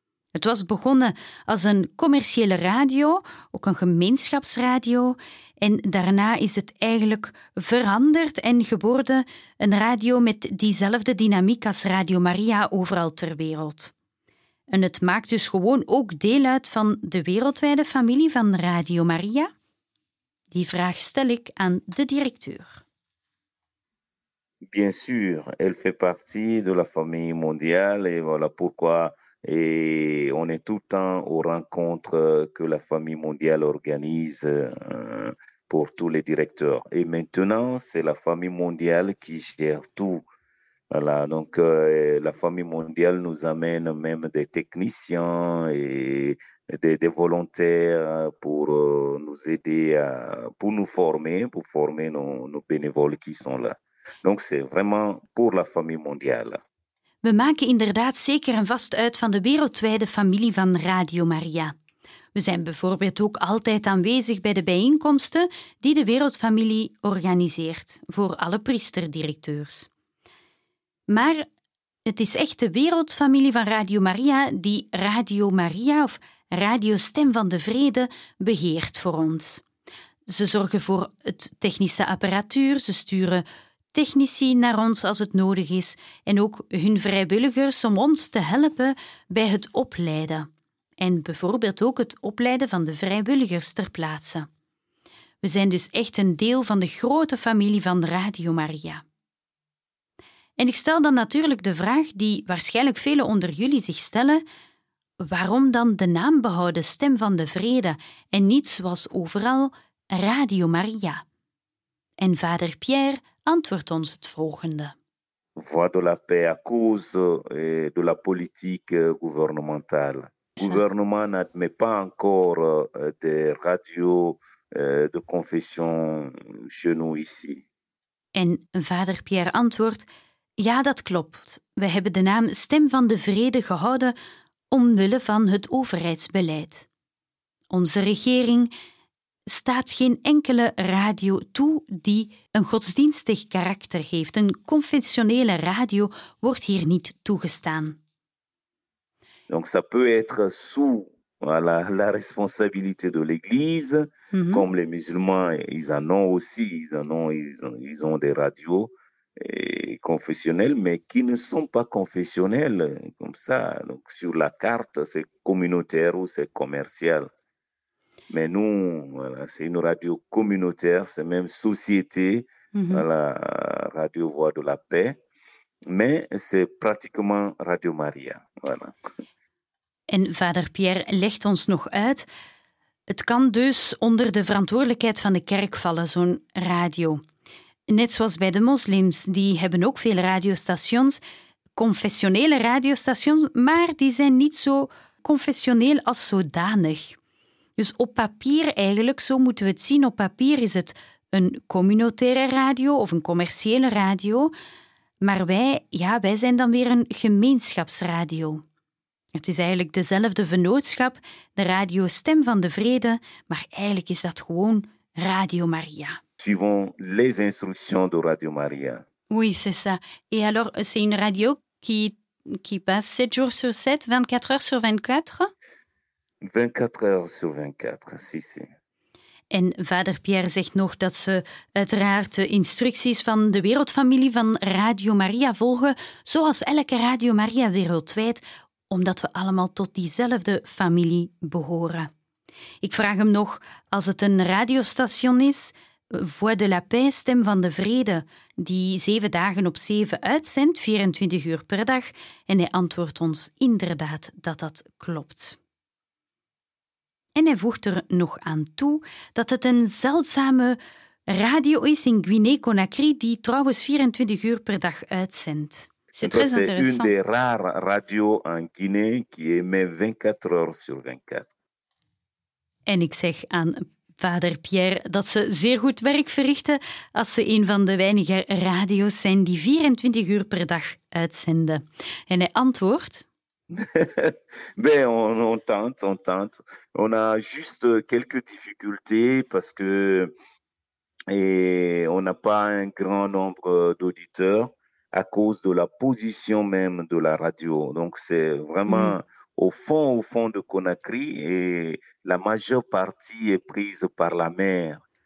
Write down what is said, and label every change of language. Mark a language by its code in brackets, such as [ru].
[nl] Het was begonnen als een commerciële radio, ook een gemeenschapsradio, en daarna is het eigenlijk veranderd en geworden een radio met diezelfde dynamiek als Radio Maria overal ter wereld. En het maakt dus gewoon ook deel uit van de wereldwijde familie van Radio Maria? Die vraag stel ik aan de directeur. [fr] Bien sûr, elle fait partie de la famille mondiale et voilà pourquoi et on est tout le temps aux rencontres que la famille mondiale organise pour tous les directeurs. Et maintenant, c'est la famille mondiale qui gère tout. Voilà, donc la famille mondiale nous amène même des techniciens et des volontaires pour nous aider pour nous former, pour former nos bénévoles qui sont là. Donc, c'est vraiment pour la famille mondiale. [nl] We maken inderdaad zeker en vast uit van de wereldwijde familie van Radio Maria. We zijn bijvoorbeeld ook altijd aanwezig bij de bijeenkomsten die de wereldfamilie organiseert voor alle priesterdirecteurs. Maar het is echt de wereldfamilie van Radio Maria die Radio Maria of Radio Stem van de Vrede beheert voor ons. Ze zorgen voor het technische apparatuur, ze sturen technici naar ons als het nodig is en ook hun vrijwilligers om ons te helpen bij het opleiden. En bijvoorbeeld ook het opleiden van de vrijwilligers ter plaatse. We zijn dus echt een deel van de grote familie van Radio Maria. En ik stel dan natuurlijk de vraag die waarschijnlijk velen onder jullie zich stellen: waarom dan de naam behouden Stem van de Vrede en niet zoals overal Radio Maria? En vader Pierre antwoordt ons het volgende. [fr] Voix de la paix à cause de la politique gouvernementale. Le gouvernement n'admet pas encore des radios de confession chez nous ici. [nl] En vader Pierre antwoordt: ja, dat klopt. We hebben de naam Stem van de Vrede gehouden omwille van het overheidsbeleid. Onze regering staat geen enkele radio toe die een godsdienstig karakter heeft. Een confessionele radio wordt hier niet toegestaan. [fr] Donc ça peut être sous la responsabilité de l'Église, comme les musulmans, ils en ont aussi, ils ont des radios, confessionnels, mais qui ne sont pas confessionnels, comme ça. Donc, sur la carte, c'est communautaire ou c'est commercial. Mais nous, voilà, c'est une radio communautaire, c'est même société, la radio Voix de la Paix, mais c'est pratiquement Radio Maria. Voilà. [nl] En vader Pierre legt ons nog uit. Het kan dus onder de verantwoordelijkheid van de kerk vallen, zo'n radio. Net zoals bij de moslims, die hebben ook veel radiostations, confessionele radiostations, maar die zijn niet zo confessioneel als zodanig. Dus op papier eigenlijk, zo moeten we het zien, op papier is het een communautaire radio of een commerciële radio, maar wij, ja, wij zijn dan weer een gemeenschapsradio. Het is eigenlijk dezelfde vennootschap, de radio Stem van de Vrede, maar eigenlijk is dat gewoon Radio Maria. [fr] Suivant les instructions de Radio Maria. Oui, c'est ça. Et alors, c'est une radio qui passe 7 jours sur 7, 24 heures sur 24? 24 heures sur 24, si. [nl] En vader Pierre zegt nog dat ze uiteraard de instructies van de wereldfamilie van Radio Maria volgen, zoals elke Radio Maria wereldwijd, omdat we allemaal tot diezelfde familie behoren. Ik vraag hem nog, als het een radiostation is, Voix de la Paix, Stem van de Vrede, die 7 dagen op 7 uitzendt, 24 uur per dag, en hij antwoordt ons inderdaad dat dat klopt. En hij voegt er nog aan toe dat het een zeldzame radio is in Guinée-Conakry, die trouwens 24 uur per dag uitzendt. [fr] C'est Ça, très c'est une intéressant. des rares radios en Guinée qui émet 24 heures sur 24. [nl] En ik zeg aan vader Pierre dat ze zeer goed werk verrichten als ze een van de weinige radio's zijn die 24 uur per dag uitzenden. En hij antwoordt. [fr] Mais on tente. On a juste quelques difficultés parce que et on n'a pas un grand nombre d'auditeurs à cause de la position même de la radio. Donc c'est vraiment au fond de Conakry et la majeure partie est prise par la mer.